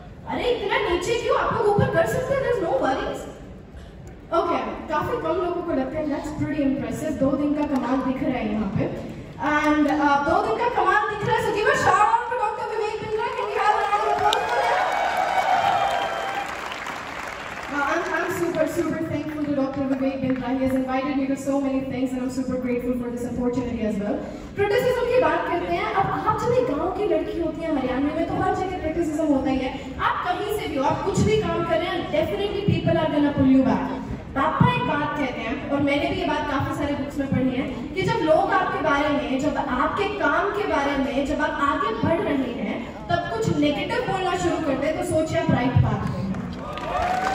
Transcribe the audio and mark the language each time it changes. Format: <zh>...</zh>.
<hi>अरे इतना नीचे क्यों, आप लोग ऊपर कर सकते हैं,</hi> <en>There is no worries.</en> <hi>Okay, काफी कम लोगों को लगता है,</hi> <en>That's pretty impressive.</en> <hi>दो दिन का कमाल दिख रहा है यहाँ पे, एंड दो दिन का कमाल दिख रहा है,</hi> <en>So give a shout out to doctor Vivek Bindra, can you have a round of applause. I'm super super thankful to Dr. Vivek Bindra. He has invited me to so many things and I'm super grateful for this opportunity as well.</en> <hi>Criticism की बात करते हैं, अब आप जब एक गांव की लड़की होती हैं हरियाणा में तो हर जगह criticism होता ही है। आप कहीं से भी हो, आप कुछ भी काम कर रहे हैं,</hi> <en>definitely people are gonna pull you back.</en> <hi>पापा एक बात कहते हैं और मैंने भी ये बात काफी सारे बुक्स में पढ़ी है कि जब लोग आपके बारे में, जब आपके काम के बारे में, जब आप आगे बढ़ रहे हैं तब कुछ नेगेटिव बोलना शुरू करते हैं तो सोचिए आप राइट बात करें।</hi>